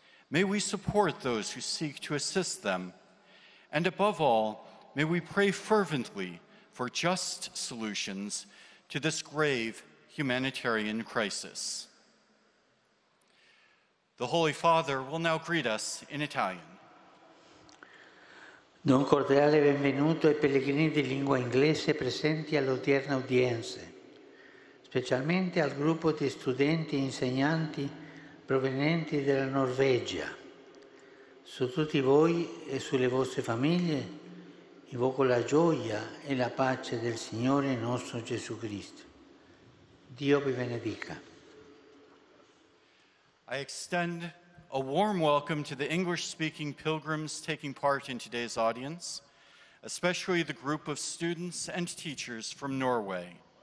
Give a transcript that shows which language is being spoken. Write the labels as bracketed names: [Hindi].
[English] May we support those who seek to assist them. And above all, may we pray fervently for just solutions to this grave humanitarian crisis. The Holy Father will now greet us in Italian. [Italian] Do un cordiale benvenuto ai pellegrini di lingua inglese presenti all'odierna udienza, specialmente al gruppo di studenti e insegnanti provenienti dalla Norvegia. Su tutti voi e sulle vostre famiglie invoco la gioia e la pace del Signore nostro Gesù Cristo. Dio vi benedica. [English] I extend a warm welcome to the English-speaking pilgrims taking part in today's audience, especially the group of students and teachers from Norway.